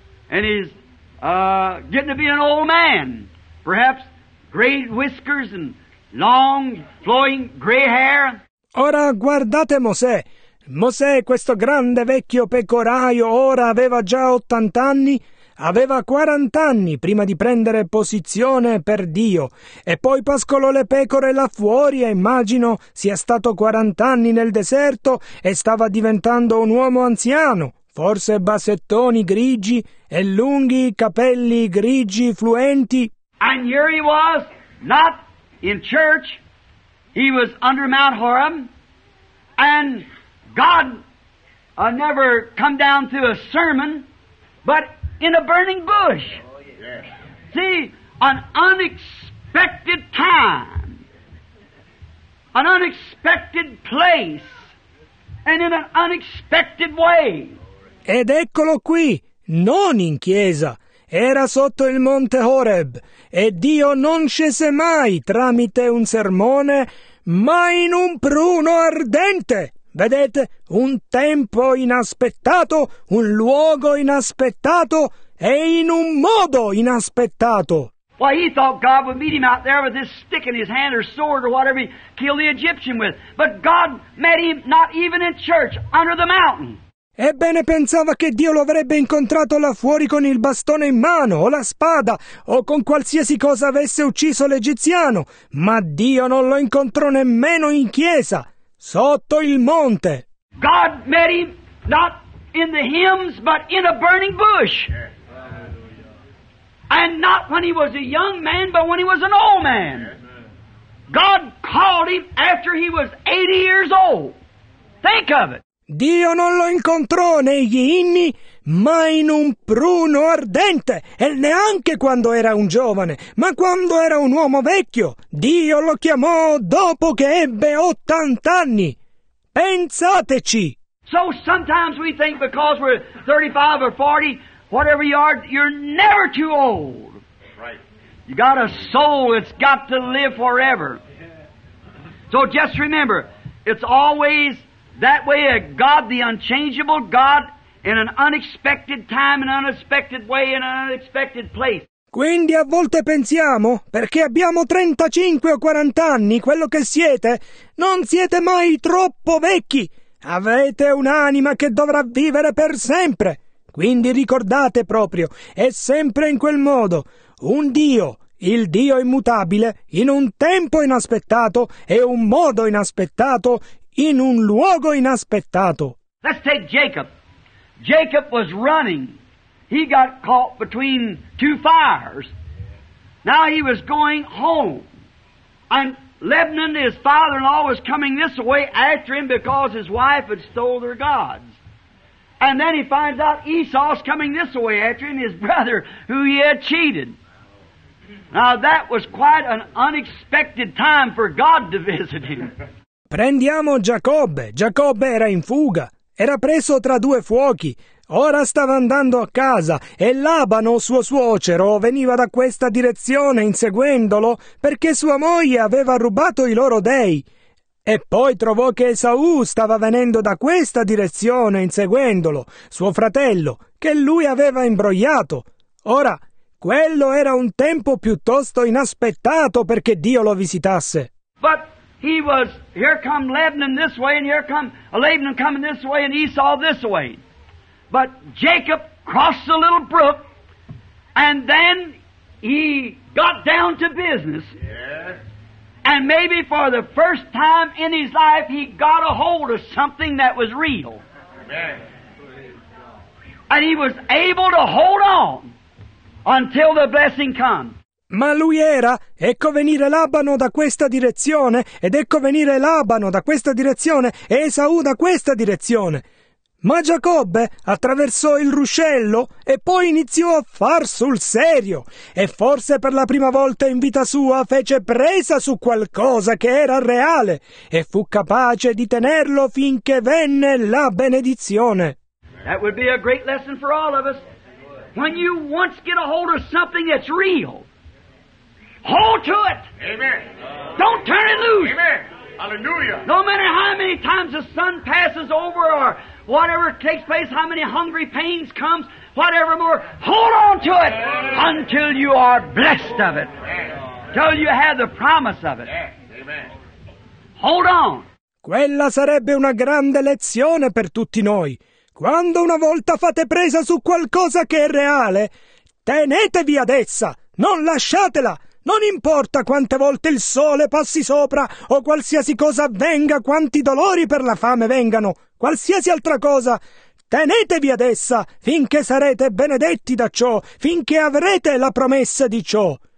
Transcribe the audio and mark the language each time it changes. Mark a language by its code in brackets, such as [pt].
[en] And he's getting to be an old man. Perhaps great whiskers and long flowing gray hair. [it] Ora guardate Mosè. Mosè, questo grande vecchio pecoraio, ora aveva già 80 anni, aveva 40 anni prima di prendere posizione per Dio, e poi pascolò le pecore là fuori, e immagino sia stato 40 anni nel deserto e stava diventando un uomo anziano, forse bassettoni grigi e lunghi capelli grigi fluenti. [en] And here he was, not in church. He was under Mount Horeb, and God never come down through a sermon, but in a burning bush. Oh, yes. See, an unexpected time, an unexpected place, and in an unexpected way. [it] Ed eccolo qui, non in chiesa. Era sotto il Monte Horeb, e Dio non scese mai tramite un sermone, ma in un pruno ardente. Vedete, un tempo inaspettato, un luogo inaspettato e in un modo inaspettato. [en] Well, he thought God would meet him out there with this stick in his hand or sword or whatever he killed the Egyptian with. But God met him not even in church, under the mountain. [it] Ebbene, pensava che Dio lo avrebbe incontrato là fuori con il bastone in mano, o la spada, o con qualsiasi cosa avesse ucciso l'egiziano, ma Dio non lo incontrò nemmeno in chiesa, sotto il monte. [en] God met him not in the hymns, but in a burning bush. And not when he was a young man, but when he was an old man. God called him after he was 80 years old. Think of it. [it] Dio non lo incontrò negli inni, ma in un pruno ardente, e neanche quando era un giovane, ma quando era un uomo vecchio. Dio lo chiamò dopo che ebbe 80 anni. Pensateci! [en] So sometimes we think because we're 35 or 40, whatever you are, you're never too old. Right. You got a soul that's got to live forever. So just remember, it's always that way, a God, the unchangeable God, in an unexpected time, an unexpected way, in an unexpected place. [it] Quindi a volte pensiamo, perché abbiamo 35 o 40 anni, quello che siete, non siete mai troppo vecchi. Avete un'anima che dovrà vivere per sempre. Quindi ricordate proprio, è sempre in quel modo, un Dio, il Dio immutabile, in un tempo inaspettato e un modo inaspettato, in un luogo inaspettato. [en] Let's take Jacob. Jacob was running. He got caught between two fires. Now he was going home. And Lebanon, his father-in-law, was coming this way after him because his wife had stole their gods. And then he finds out Esau's coming this way after him, his brother, who he had cheated. Now that was quite an unexpected time for God to visit him. [it] Prendiamo Giacobbe. Giacobbe era in fuga. Era preso tra due fuochi. Ora stava andando a casa e Labano, suo suocero, veniva da questa direzione inseguendolo perché sua moglie aveva rubato i loro dei. E poi trovò che Esaù stava venendo da questa direzione inseguendolo, suo fratello, che lui aveva imbrogliato. Ora, quello era un tempo piuttosto inaspettato perché Dio lo visitasse. [en] But he was, here come Lebanon this way, and here come Laban coming this way, and Esau this way. But Jacob crossed the little brook, and then he got down to business. Yes. And maybe for the first time in his life, he got a hold of something that was real. Amen. And he was able to hold on until the blessing come. [it] Ma lui era, ecco venire Labano da questa direzione, ed ecco venire Labano da questa direzione, e Esaù da questa direzione. Ma Giacobbe attraversò il ruscello e poi iniziò a far sul serio, e forse per la prima volta in vita sua fece presa su qualcosa che era reale, e fu capace di tenerlo finché venne la benedizione. [en] That would be a great lesson for all of us. When you once get a hold of something that's real, hold to it. Amen. Don't turn it loose. Amen. Hallelujah. No matter how many times the sun passes over or whatever takes place, how many hungry pains comes, whatever more, hold on to it until you are blessed of it. Until you have the promise of it. Amen. Hold on. [it] Quella sarebbe una grande lezione per tutti noi. Quando una volta fate presa su qualcosa che è reale, tenetevi ad essa, non lasciatela. Non importa quante volte il sole passi sopra, o qualsiasi cosa avvenga, quanti dolori per la fame vengano, qualsiasi altra cosa, tenetevi ad essa finché sarete benedetti da ciò, finché avrete la promessa di ciò.